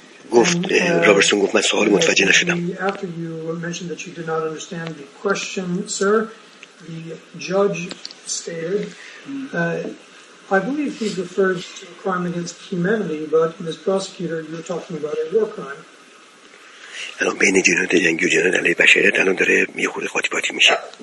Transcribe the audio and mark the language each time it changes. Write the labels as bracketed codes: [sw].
[fa] گفت رابرتسون گفت من سوال متوجه نشدم. [en] After you mentioned that you did not understand the question, sir, the judge stated, I believe he refers to a crime against humanity, but this prosecutor, you're talking about a war crime. [fa] الان بین جنایت جنگی و جنایت علیه بشریت الان داره یه خورده قاطی پاتی میشه.